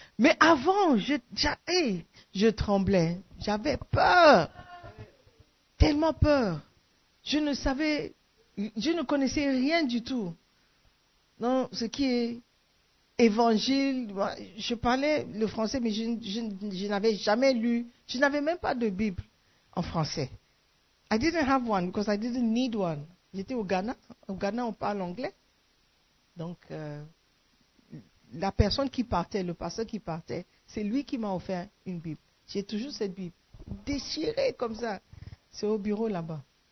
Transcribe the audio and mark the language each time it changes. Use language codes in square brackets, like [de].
[fr] Mais avant, je tremblais, j'avais peur, tellement peur. Je ne connaissais rien du tout. Non, ce qui est évangile, je parlais le français, mais je n'avais jamais lu, je n'avais même pas de Bible en français. [en] I didn't have one because I didn't need one. [fr] J'étais au Ghana. Au Ghana, on parle anglais. Donc, la personne qui partait, le pasteur qui partait, c'est lui qui m'a offert une Bible. J'ai toujours cette Bible déchirée comme ça. C'est au bureau là-bas.